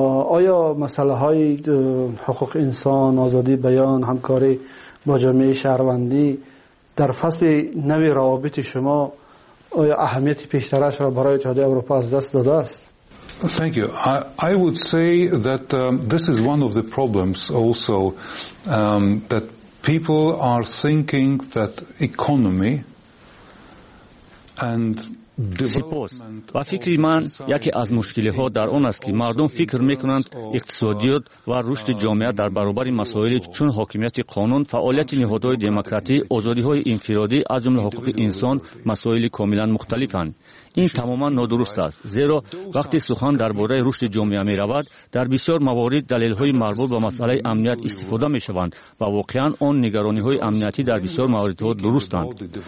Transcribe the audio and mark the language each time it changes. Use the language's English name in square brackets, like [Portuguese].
[Persian] آیا مسئله های حقوق انسان، آزادی بیان، همکاری با جامعه شهروندی در فصل نوی روابط شما آیا اهمیت بیشترش را برای اتحادیه اروپا از دست داده است؟ [English] Thank you. I would say that this is one of the problems also that people are thinking that economy and [Persian] سپاس. و فکر من یکی از مشکلی ها در آن است که مردم فکر میکنند اقتصادیات و رشد جامعه در برابر مسائل چون حاکمیت قانون، فعالیت نهادهای دموکراتیک، آزادی های انفرادی از جمله حقوق انسان مسائل کاملا مختلفند. این تماما نادرست است، زیرا وقتی سخن درباره رشد جامعه می رود در بسیار موارد دلایل های مربوط به مسئله امنیت استفاده می شوند و واقعا آن نگرانی های امنیتی در بسیار موارد ها درستند.